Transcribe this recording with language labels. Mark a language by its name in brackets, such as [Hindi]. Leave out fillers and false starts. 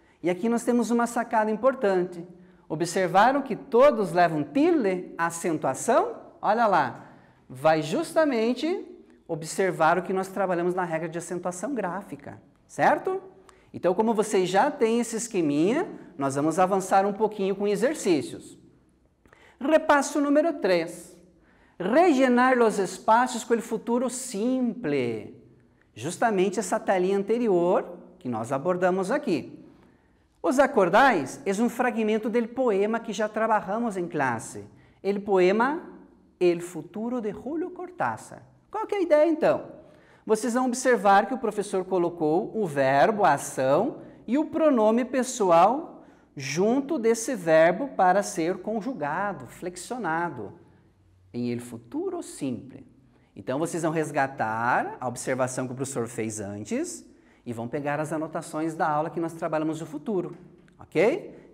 [Portuguese] E aqui nós temos uma sacada importante. Observaram que todos levam tilde, acentuação? Olha lá, vai justamente observar o que nós trabalhamos na regra de acentuação gráfica, certo? Então, como vocês já têm esse esqueminha, nós vamos avançar um pouquinho com exercícios. Repasso número 3. [Spanish] Rellenar los espacios con el futuro simple. [Portuguese] Justamente essa telinha anterior que nós abordamos aqui. Os acordais é um fragmento del poema que já trabalhamos em classe. [Spanish] El poema El Futuro de Julio Cortázar. [Portuguese] Qual que é a ideia, então? Vocês vão observar que o professor colocou o verbo, a ação, e o pronome pessoal junto desse verbo para ser conjugado, flexionado, em [Spanish] el futuro simple. [Portuguese] Então, vocês vão resgatar a observação que o professor fez antes e vão pegar as anotações da aula que nós trabalhamos no futuro, ok?